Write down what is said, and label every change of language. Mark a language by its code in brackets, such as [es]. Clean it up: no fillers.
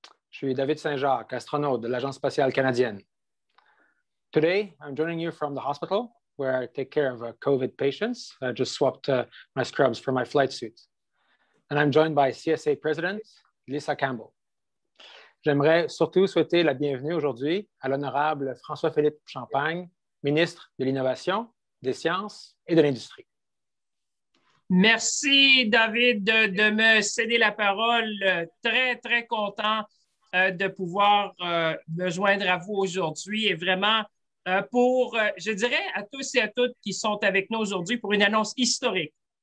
[fr] Je suis David Saint-Jacques, astronaute de l'Agence spatiale canadienne. [en] Today, I'm joining you from the hospital where I take care of COVID patients. I just swapped my scrubs for my flight suit. And I'm joined by CSA President Lisa Campbell. [fr] J'aimerais surtout souhaiter la bienvenue aujourd'hui à l'honorable François-Philippe Champagne, ministre de l'Innovation, des Sciences et de l'Industrie. Merci, David, de me céder la parole. Très, très content de pouvoir me joindre à vous aujourd'hui et vraiment pour, je dirais, à tous et à toutes qui sont avec nous aujourd'hui pour une annonce historique.